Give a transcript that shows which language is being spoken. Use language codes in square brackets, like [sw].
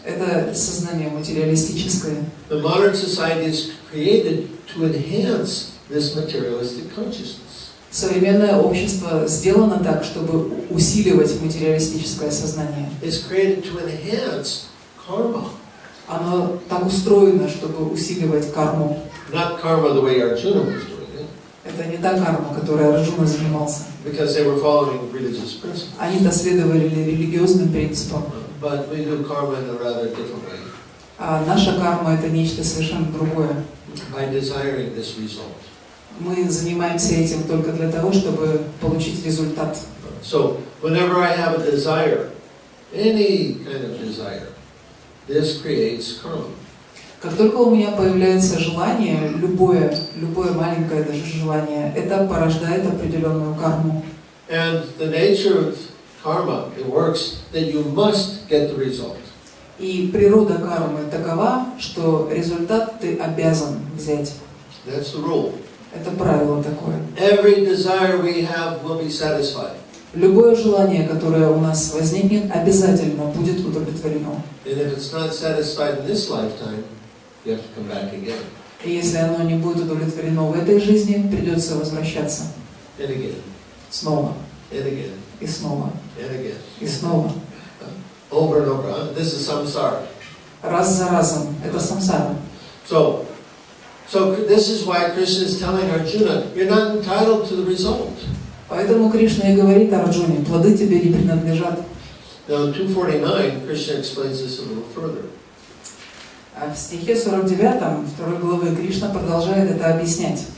[ru] Это сознание материалистическое. [en] The modern society is created to enhance this materialistic consciousness. [ru] Современное общество сделано так, чтобы усиливать материалистическое сознание. [en] It's created to enhance karma. [ru] Оно так устроено, чтобы усиливать карму. [en] Not karma the way Arjuna was doing it. [ru] Это не та карма, которой Арджуна занимался. [en] Because they were following religious principles. [ru] Они следовали религиозным принципам. [en] But we do karma in a rather different way. [ru] А наша карма — это нечто совершенно другое. [en] By desiring this result. [ru] Мы занимаемся этим только для того, чтобы получить результат. [en] So, whenever I have a desire, any kind of desire, this creates karma. [ru] Как только у меня появляется желание, любое маленькое даже желание, это порождает определенную карму. [en] And the nature of karma, it works that you must get the result. [ru] И природа кармы такова, что результат ты обязан взять. [en] That's the rule. [ru] Это правило такое. [en] Every desire we have will be satisfied. [ru] Любое желание, которое у нас возникнет, обязательно будет удовлетворено. [en] And if it's not satisfied in this lifetime, you have to come back again. [ru] И если оно не будет удовлетворено в этой жизни, придется возвращаться. [en] And again. [ru] Снова. [en] And again. [ru] И снова. [en] And again. [ru] И снова. [en] Over and over. This is samsara. [ru] Раз за разом. Это самсара. [en] So this is why Krishna is telling Arjuna, you're not entitled to the result. [ru] Поэтому Кришна и говорит Арджуне, плоды тебе не принадлежат. [en] Now in 249, Krishna explains this a little further. [ru] А в стихе 49, второй главы, Кришна продолжает это объяснять.